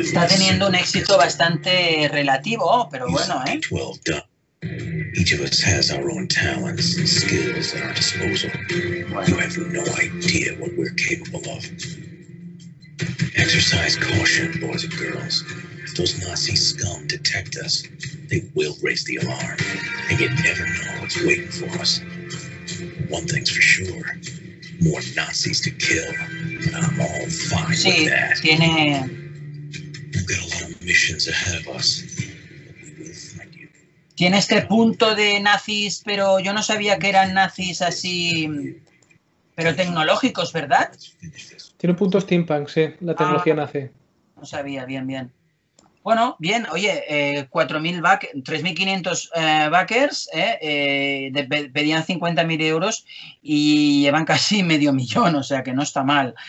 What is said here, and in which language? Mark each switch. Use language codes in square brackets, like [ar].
[es] Está teniendo un éxito bastante relativo, pero bueno, ¿eh? [en] 12 done. Each of us has our own talents and skills at our disposal. Bueno. You have no idea what we're capable of. Exercise caution, boys and girls. If those Nazi scum detect us, they will raise the alarm, and you never know what's waiting for us. One thing's for sure, more Nazis to kill, but I'm all fine sí, with that. [es] Tiene... [en] We've got a lot of missions ahead of us, but we will find you. [es] Tiene este punto de Nazis, pero yo no sabía que eran Nazis así, pero tecnológicos, ¿verdad? Tiene un punto steampunk, sí, la tecnología nace. No sabía, bien, bien. Bueno, bien, oye, 3.500 backers, pedían 50.000 euros y llevan casi 500.000, o sea que no está mal.